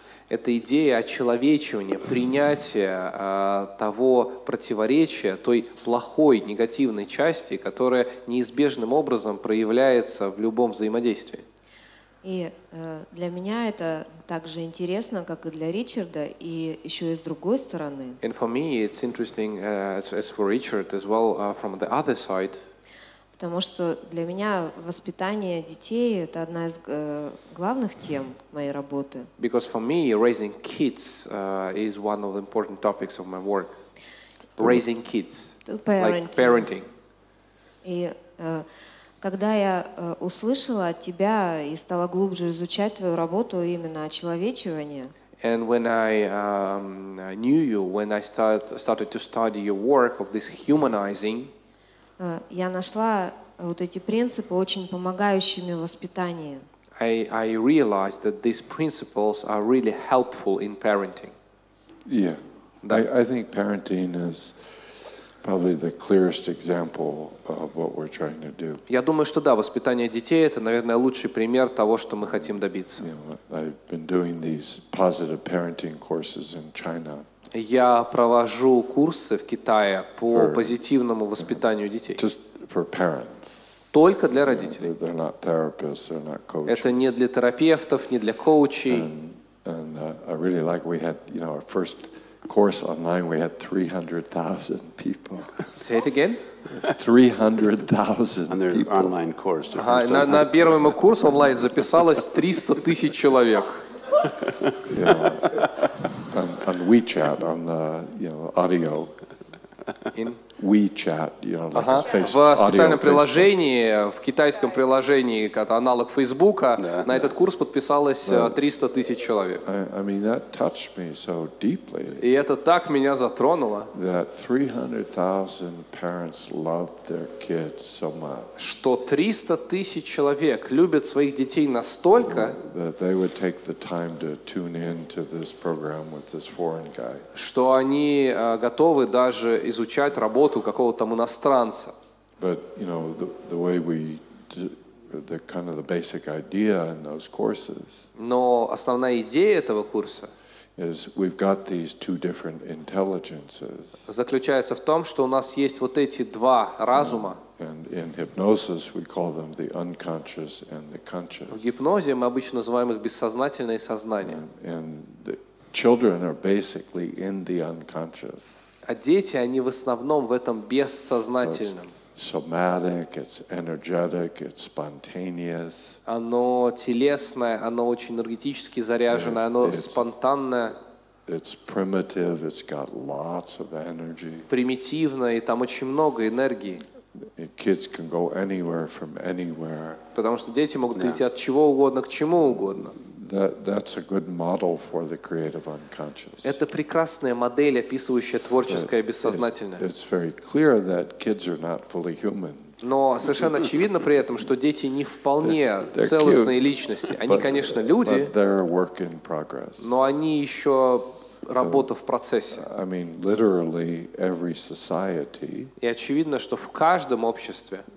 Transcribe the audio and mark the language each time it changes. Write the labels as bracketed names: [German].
[Russian] Эта идея очеловечивания, принятия того противоречия, той плохой, негативной части, которая неизбежным образом проявляется в любом взаимодействии. И для меня это так же интересно, как и для Ричарда, и еще и с другой стороны. [English] And for me it's interesting as for Richard as well from the other side. [Russian] Потому что для меня воспитание детей – это одна из главных тем моей работы. [English] Because for me, raising kids is one of the important topics of my work. Raising kids, parenting. Like parenting. [Russian] И когда я услышала от тебя и стала глубже изучать твою работу именно о человечивании. [English] And when I knew you, when I started to study your work of this humanizing. [Russian] Я нашла вот эти принципы, очень помогающими в воспитании. [English] I realized that these principles are really helpful in parenting. Yeah. I think parenting is probably the clearest example of what we're trying to do. [Russian] Я думаю, что да, воспитание детей – это, наверное, лучший пример того, что мы хотим добиться. [English] You know, I've been doing these positive parenting courses in China. [Russian] Я провожу курсы в Китае по позитивному воспитанию детей. [English] Just for parents. [Russian] Только для родителей. [English] They're not therapists, they're not coaches. [Russian] Это не для терапевтов, не для коучей. [English] And I really like we had, you know, our first course online, we had 300,000 people. Say it again. 300,000 people. On their online course. [Russian] На первом курсе онлайн записалось 300 тысяч человек. [English] Yeah. On WeChat, on the, you know, audio. In WeChat, you know, like [Russian] в специальном приложении, в китайском приложении, как аналог Фейсбука, на этот курс подписалось 300 тысяч человек. [English] I mean, that touched me so deeply. [Russian] И это так меня затронуло. [English] That 300,000 parents love their kids so much. [Russian] Что 300 тысяч человек любят своих детей настолько, [English] that they would take the time to tune in to this program with this foreign guy. [Russian] Что они готовы даже изучать работу какого-то там иностранца. [English] But, you know, the way we do, the kind of the basic idea in those courses. [Russian] Но основная идея этого курса [English] is we've got these two different intelligences. [Russian] Заключается в том, что у нас есть вот эти два разума. [English] And in hypnosis we call them the unconscious and the conscious. [Russian] В гипнозе мы обычно называем их бессознательное и сознание. [English] And the children are basically in the unconscious. [Russian] А дети, они в основном в этом бессознательном. [English] It's somatic, it's energetic, it's spontaneous. [Russian] Оно телесное, оно очень энергетически заряженное, оно спонтанное. [English] It's primitive, it's got lots of energy. [Russian] Примитивно, и там очень много энергии. [English] Kids can go anywhere from anywhere. [Russian] Потому что дети могут прийти от чего угодно к чему угодно. [English] That's a good model for the creative unconscious. [Russian] Это прекрасная модель, описывающая творческое бессознательное. [English] It's very clear that kids are not fully human. [Russian] Но совершенно очевидно при этом, что дети не вполне целостные личности. Они, конечно, люди. [English] But they're a work in progress. [Russian] Но они еще работа в процессе. [English] I mean, literally every society. [Russian] И очевидно, что в каждом обществе.